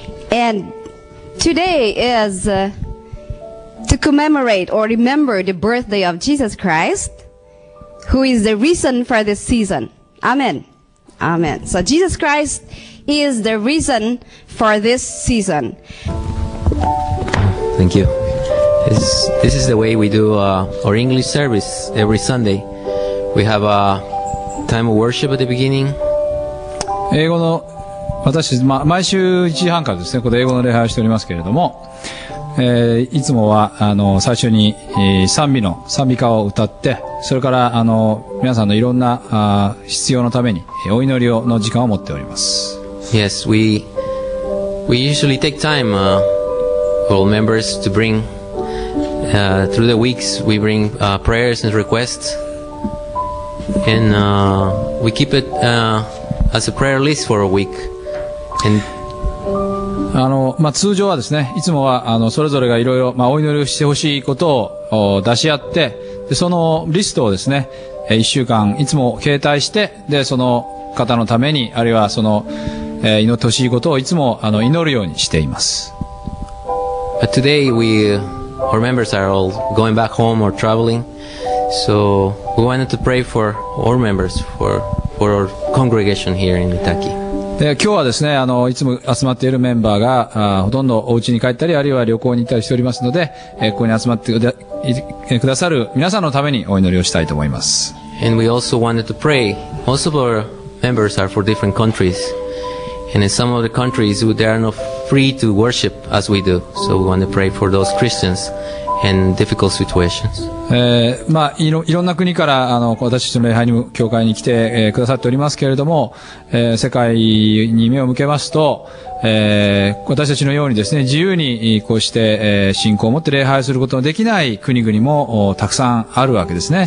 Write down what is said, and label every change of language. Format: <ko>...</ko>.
<en>And today is to commemorate or remember the birthday of Jesus Christ, who is the reason for this season. Amen. Amen. So Jesus Christ is the reason for this season. Thank you. This is the way we do our English service every Sunday. We have a time of worship at the beginning.</en> <ja>英語の私、まあ、毎週1時半からですね、ここで英語の礼拝をしておりますけれども、いつもは最初に、賛美の賛美歌を歌って、それから皆さんのいろんな必要のためにお祈りをの時間を持っております。</ja> <en>Yes, we usually take time, all members to bring, through the weeks we bring prayers and requests, and we keep it as a prayer list for a week. And</en> <ja>まあ、通常はですね、いつもはそれぞれがいろいろ、まあ、お祈りをしてほしいことを出し合って、でそのリストをですね、1週間いつも携帯して、でその方のために、あるいはその祈ってほしいことをいつも祈るようにしています。</ja> <en>But today we, our members are all going back home or traveling, so we wanted to pray for our members, for our congregation here in Itaki.</en> <ja>で今日はですね、いつも集まっているメンバーが、ほとんどお家に帰ったり、あるいは旅行に行ったりしておりますので、ここに集まってくださる皆さんのためにお祈りをしたいと思います。</ja> <en>And we also wanted to pray. Most of our members are for different countries. And in some of the countries, they are not free to worship as we do. So we want to pray for those Christians in difficult situations.</en> <ja>まあ、いろんな国から私たちの礼拝に教会に来て、くださっておりますけれども、世界に目を向けますと、私たちのようにですね、自由にこうして、信仰を持って礼拝することのできない国々もたくさんあるわけですね。</ja>